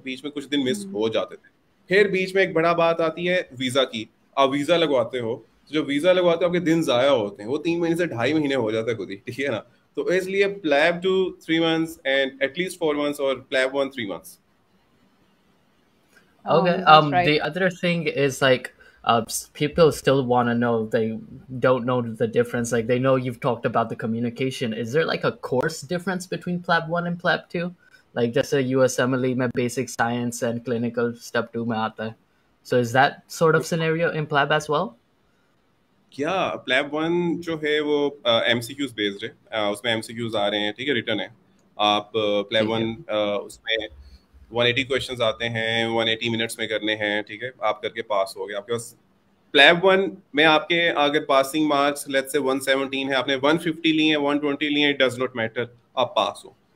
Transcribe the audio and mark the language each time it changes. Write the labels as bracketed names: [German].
[Hindi] बीच में कुछ दिन मिस हो जाते थे। फिर बीच में एक बड़ा बात आती है वीजा की। आप वीजा लगवाते हो, तो जो वीजा लगवाते हो आपके दिन जाया होते हैं, वो 3 महीने से 2.5 महीने हो जाता है खुद ही, ठीक है ना? तो इसलिए PLAB 2 3 months and at least 4 months, और PLAB 1 3 months। [English] Okay, That's the right. other thing is like people still want to know, they don't know the difference. Like they know you've talked about the communication. Is there like a course difference between Pleb 1 and Pleb 2? Like just a USMLE mein basic science and clinical step 2 mein aata hai. So is that sort of scenario in Pleb as well? [Hindi] क्या PLAB 1 जो है वो MCQs based है, उसमें MCQs आ रहे हैं, ठीक है, रिटर्न है। आप प्लेब ठीक है. 1 उसमें 180 क्वेश्चंस आते हैं, 180 मिनट्स में करने हैं, ठीक है? आप करके पास हो गए, आपके पास प्लेब 1 में आपके अगर पासिंग मार्क्स लेट्स से 117 है, आपने 150 लिए हैं, 120 लिए हैं, [English] it does not matter, [Hindi] आप पास हो।